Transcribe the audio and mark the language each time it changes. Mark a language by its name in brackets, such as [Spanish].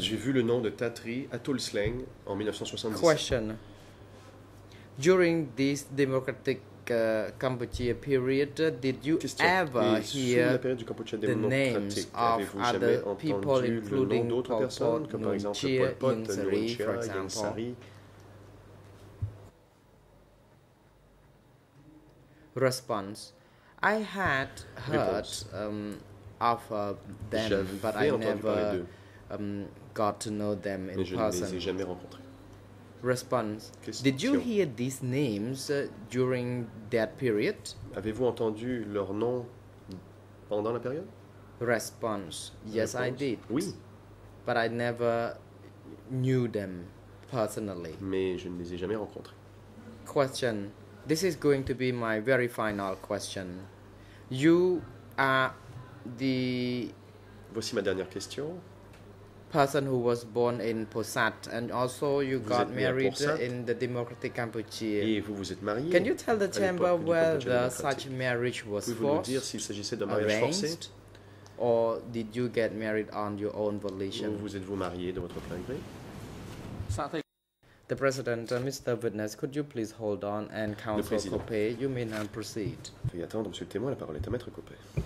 [French] J'ai vu le nom de Tatry à Tulslang en 1977. [English] Question. During this democratic Cambodia period, did you ever hear the names of other people, including Pol Pot, Nguyen Chia, Yen Sary, for example? Response. I had heard of them, but I never got to know them in person. Response. Did you hear these names during that period? [French] Avez-vous entendu leur nom pendant la période? [English] Response. Yes, I did. [French] Oui. [English] But I never knew them personally. [French] Mais je ne les ai jamais rencontrés. [English] Question. This is going to be my very final question. You are the [French] voici ma dernière question. [English] Person who was born in Posat, and also you [French] vous [English] got married in the Democratic Cambodia. [French] Et vous vous êtes marié. [English] Can you tell the chamber whether such marriage was forced, [French] dire s'il s'agissait d'un mariage [English] arranged, [French] forcé? [English] Or did you get married on your own volition? [French] Vous êtes-vous marié de votre plein gré? [English] The President, Mr. Witness, could you please hold on, and Counsel Copé, you may now proceed. [French] Veuillez attendre, Monsieur le Témoin, la parole est à Maître Copé.